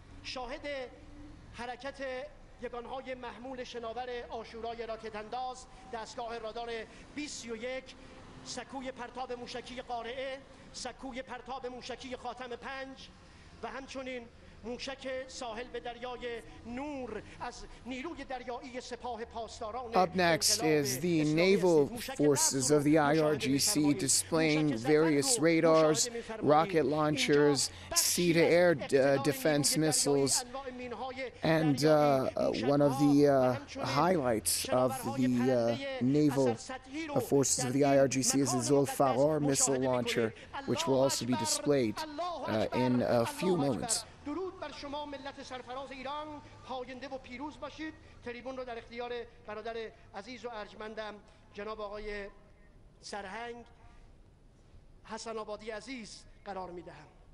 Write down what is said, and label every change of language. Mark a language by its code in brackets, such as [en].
[fa] شاهد حرکت یگانهای محمول شناور آشورای راکت انداز، دستگاه رادار 21، سکوی پرتاب موشکی قارعه، سکوی پرتاب موشکی خاتم 5 و همچنین موشک ساحل به دریای نور از نیروی دریایی سپاه پاسداران. [en] Up next is the naval forces of the IRGC displaying various radars, rocket launchers, sea-to-air defense missiles, and one of the highlights of the naval forces of the IRGC is the Zulfaqar missile launcher, which will also be displayed in a few moments. [fa] درود بر شما ملت سرفراز ایران، پاینده و پیروز باشید. تریبون رو در اختیار برادر عزیز و ارجمندم جناب آقای سرهنگ حسن آبادی عزیز قرار میدهم.